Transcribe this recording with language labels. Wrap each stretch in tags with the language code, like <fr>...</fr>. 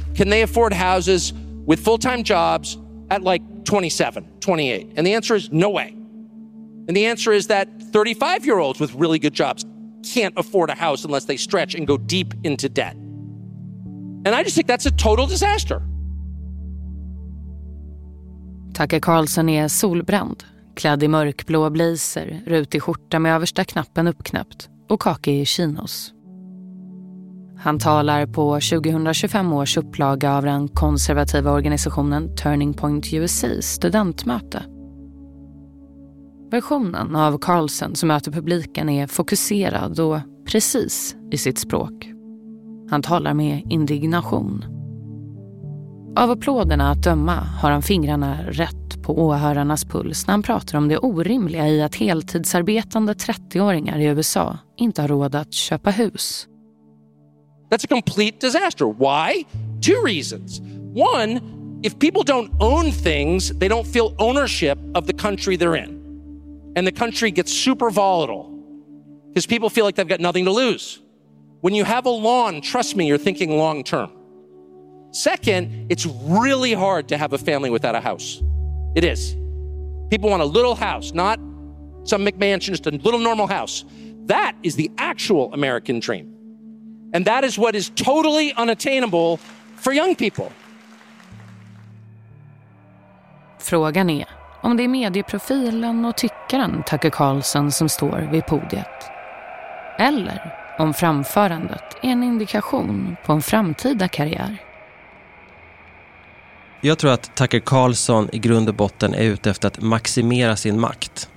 <en>Can they afford houses with full-time jobs at like 27, 28? And the answer is no way. And the answer is that 35-year-olds with really good jobs can't afford a house unless they stretch and go deep into debt. And I just think that's a total disaster.</en> <sv>Tucker Carlson är solbränd, klädd i mörkblå blazer, rutig skjorta med översta knappen uppknäppt och kaki i chinos. Han talar på 2025 års upplaga av den konservativa organisationen Turning Point USA:s studentmöte. Versionen av Carlson som möter publiken är fokuserad och precis i sitt språk. Han talar med indignation. Av applåderna att döma har han fingrarna rätt på åhörarnas puls när han pratar om det orimliga i att heltidsarbetande 30-åringar i USA inte har råd att köpa hus.</sv> <en>That's a complete disaster. Why? Two reasons. One, if people don't own things, they don't feel ownership of the country they're in. And the country gets super volatile because people feel like they've got nothing to lose. When you have a lawn, trust me, you're thinking long term. Second, it's really hard to have a family without a house. It is. People want a little house, not some McMansion, just a little normal house. That is the actual American dream. And that is what is totally unattainable for young people.</en> <sv>Frågan är om det är medieprofilen och tyckaren Tucker Carlson som står vid podiet. Eller om framförandet är en indikation på en framtida karriär. Jag tror att Tucker Carlson i grund och botten är ute efter att maximera sin makt.</sv>